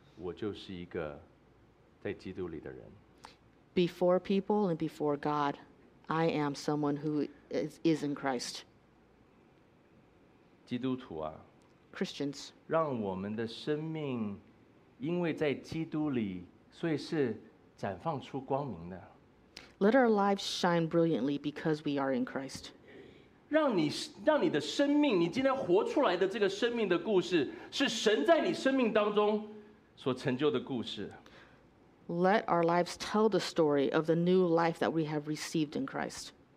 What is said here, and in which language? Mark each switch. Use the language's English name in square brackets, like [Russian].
[Chinese] 在人前人后，在神的面前，我就是一个在基督里的人。 [English] Before people and before God, I am someone who is in Christ. [Chinese] 基督徒啊, [English] Christians, [Chinese] 让我们的生命因为在基督里，所以是绽放出光明的。 [English] Let our lives shine brilliantly because we are in Christ. [Chinese] 让你的生命，你今天活出来的这个生命的故事，是神在你生命当中所成就的故事。 [English] Let our lives tell the story of the new life that we have received in Christ.